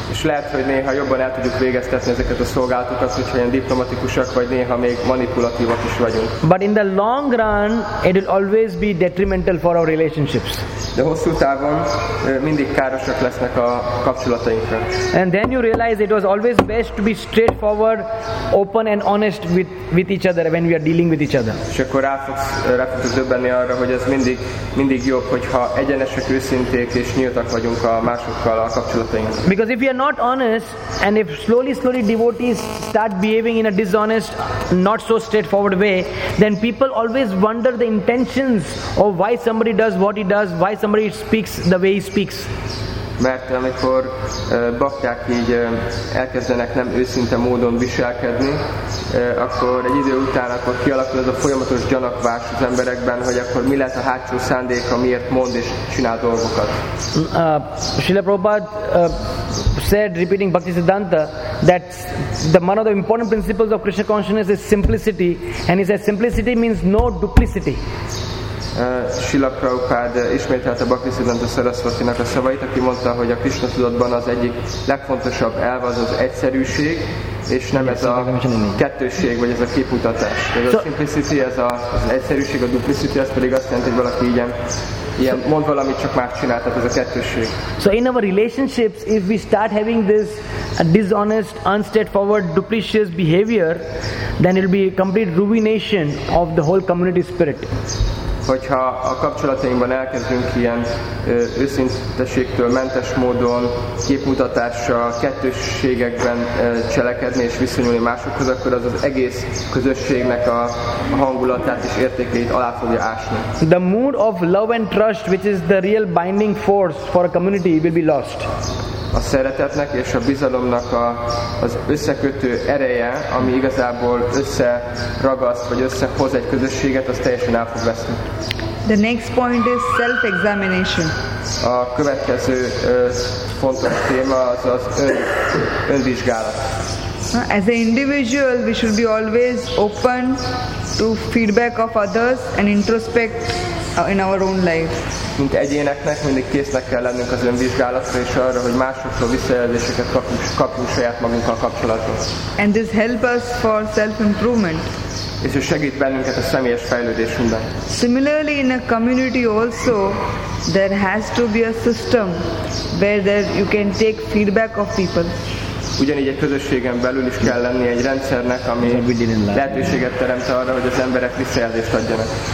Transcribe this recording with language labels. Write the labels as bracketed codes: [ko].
[hu] És lehet, hogy néha jobban el tudjuk végeztetni ezeket a szolgálatokat, hogyha ilyen diplomatikusak, vagy néha még manipulatívak is vagyunk. [en] But in the long run, it will always be detrimental for our relationships. [hu] De hosszú távon mindig károsak lesznek a kapcsolatainkra. [en] And then you realize it was always best to be straightforward, open and honest with each other when we are dealing with each other. [hu] És akkor rá fogsz döbbenni arra, hogy ez mindig jobb, hogyha egyenesek, őszinték és nyíltak vagyunk a másokkal a kapcsolatainkban. [en] Because if we are not honest, and if slowly devotees start behaving in a dishonest, not so straightforward way, then people always wonder the intentions of why somebody does what he does, why somebody speaks the way he speaks. [hu] Mert amikor bakták így elkezdenek nem őszinte módon viselkedni, akkor egy idő után akkor kialakul ez a folyamatos gyanakvás az emberekben, hogy akkor mi lehet a hátsó szándéka, miért mond és csinál dolgokat. [en] Srila Prabhupada said, repeating Bhaktisiddhanta, that one of the important principles of Krishna consciousness is simplicity, and he says simplicity means no duplicity. [hu] Srila Prabhupada ismételte Bhaktisiddhanta Sarasvatinak a szavait, aki mondta, hogy a Krishna tudatban az egyik legfontosabb elv az az egyszerűség, és nem ez a kettősség, vagy ez a képutatás. Ez a simplicity, ez az egyszerűség, a duplicity, ez pedig azt jelenti, hogy valaki ilyen mond valamit, csak már csinált, ez a kettősség. [en] So in our relationships, if we start having this dishonest, unstraightforward, duplicitous behavior, then it will be a complete ruination of the whole community spirit. [hu] Hogyha a kapcsolatainkban elkezdünk ilyen őszinteségtől mentes módon, képmutatással, kettősségekben cselekedni és viszonyulni másokhoz, akkor az egész közösségnek a hangulatát és értékét alá fogja ásni. [en] The mood of love and trust, which is the real binding force for a community, will be lost. [hu] a szeretetnek és a bizalomnak a, az összekötő ereje, ami igazából összeragaszt, vagy összehoz egy közösséget, az teljesen el fog veszni. [en] The next point is self-examination. [hu] A következő fontos téma az az önvizsgálat. [en] As an individual, we should be always open to feedback of others and introspect in our own life. [hu] Mint egyéneknek mindig késznek kell lennünk az önvizsgálatra és arra, hogy másoktól visszajelzéseket kapjunk saját magunkkal kapcsolatban. [en] And this helps us for self-improvement. [hu] És ez segít bennünket a személyes fejlődésünkben. [en] Similarly, in a community also, there has to be a system where there you can take feedback of people. [hu] Ugyanígy egy közösségen belül is kell lenni egy rendszernek, ami lehetőséget teremt arra, hogy az emberek visszajelzést adjanak.